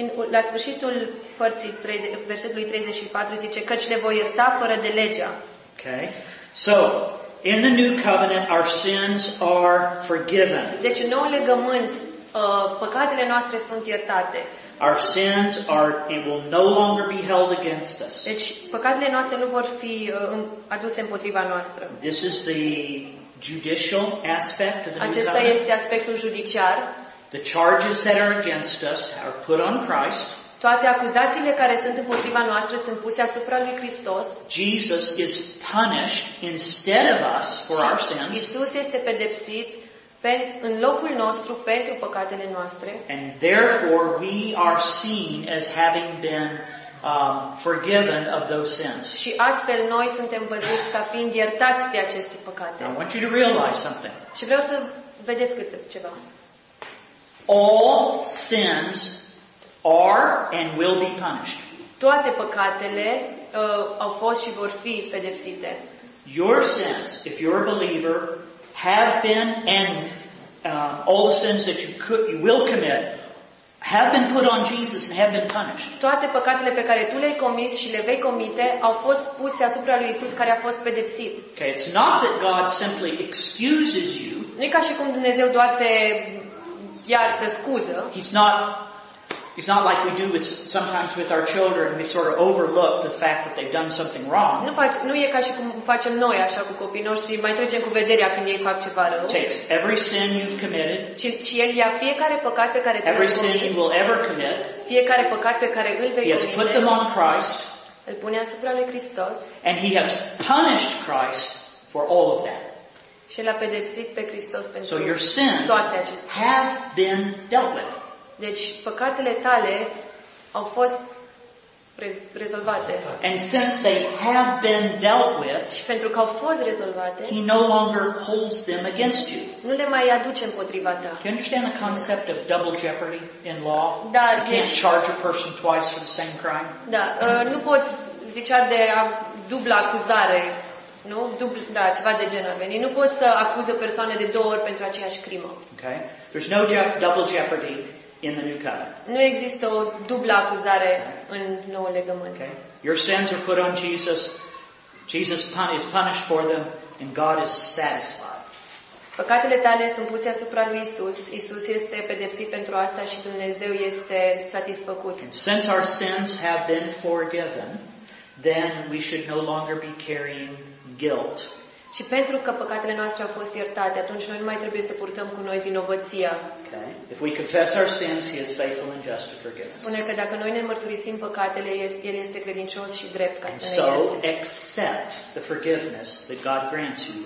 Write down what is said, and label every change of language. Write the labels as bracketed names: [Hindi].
[Romanian] La sfârșitul părții versetului 34 zice, căci le voi ierta fără de legea. [English] Okay. So, in the new covenant, our sins are forgiven. [Romanian] Deci, în noul legământ, păcatele noastre sunt iertate. [English] Our sins are, it will no longer be held against us. [Romanian] Deci, păcatele noastre nu vor fi aduse împotriva noastră. [English] This is the judicial aspect of the [Romanian] Acesta [English] new covenant. [Romanian] Este aspectul judiciar. [English] The charges that are against us are put on Christ. [Romanian] Toate acuzațiile care sunt împotriva noastră sunt puse asupra lui Hristos. [English] Jesus is punished instead of us for our sins. [Romanian] Iisus este pedepsit în locul nostru pentru păcatele noastre. [English] And therefore we are seen as having been forgiven of those sins. [Romanian] Și astfel noi suntem văzuți ca fiind iertați de aceste păcate. [English] I want you to realize something. [Romanian] Și vreau să vedeți ceva. [English] All sins are and will be punished. [Romanian] Toate păcatele au fost și vor fi pedepsite. [English] Your sins, if you're a believer, have been and all the sins that you will commit have been put on Jesus and have been punished. [Romanian] Toate păcatele pe care tu le-ai comis și le vei comite au fost puse asupra lui Isus care a fost pedepsit. [English] Okay, it's not that God simply excuses you. [Romanian] Nu e ca și cum Dumnezeu doar te iartă, scuză. [English] It's not like we do with sometimes with our children, we sort of overlook the fact that they've done something wrong. [Romanian] Nu e ca și cum facem noi așa cu copiii noștri, mai trecem cu vederea când ei fac ceva rău. [English] Takes every sin you've committed. [Romanian] Și el ia fiecare păcat pe care tu [English] every sin you will ever commit. [Romanian] Fiecare păcat pe care îl vei comite. [English] He has put them on Christ. [Romanian] Îl pune asupra lui Hristos. [English] And he has punished Christ for all of that. [Romanian] Și l-a pedepsit pe Hristos pentru [English] toate. So your sins have been dealt with. [Romanian] Deci păcatele tale au fost rezolvate. [English] And since they have been dealt with, [Romanian] și pentru că au fost rezolvate, [English] he no longer holds them against you. [Romanian] Nu le mai aduce împotriva ta. [English] Do you understand the concept of double jeopardy in law? [Romanian] Da, [English] you can't charge a person twice for the same crime. [Romanian] Da, nu poți zicea de dublă acuzare. Nu? Da, ceva de genul. Nu poți să acuzi o persoană de două ori pentru aceeași crimă. [English] Okay. There's no double jeopardy in the new covenant. [Romanian] Nu există o dublă acuzare în noul legământ. [English] Okay. Your sins are put on Jesus. Jesus is punished for them and God is satisfied. [Romanian] Păcatele tale sunt puse asupra lui Isus. Isus este pedepsit pentru asta și Dumnezeu este satisfăcut. [English] And since our sins have been forgiven, then we should no longer be carrying guilt. [Romanian] Și pentru că păcatele noastre au fost iertate, atunci noi nu mai trebuie să purtăm cu noi vinovăția. [English] Okay. If we confess our sins, he is faithful and just to forgive us. [Romanian] Spune că dacă noi ne mărturisim păcatele, el este credincios și drept ca să ne ierte. [English] So accept the forgiveness that God grants you.